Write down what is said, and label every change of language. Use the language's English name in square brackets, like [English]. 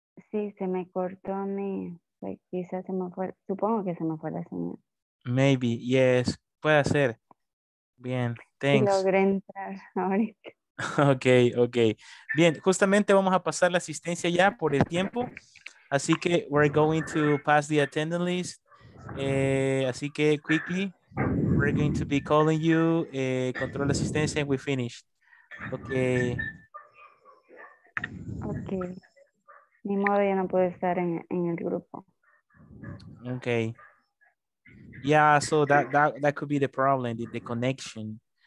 [Spanish] Sí, se me cortó a mí. Quizás se me fue, supongo que se me fue la señal. [English] Maybe, yes, [Spanish] puede ser. Bien, [English] thanks. [Spanish] Logré entrar ahorita. Ok. Bien, justamente vamos a pasar la asistencia ya por el tiempo. Así que [English] we're going to pass the attendance list. Así que quickly, we're going to be calling you, control asistencia, and we finished. Okay. Ok. [Spanish] Ni modo, ya no puedo estar en el grupo. Ok. [English] Yeah, so that could be the problem, the connection.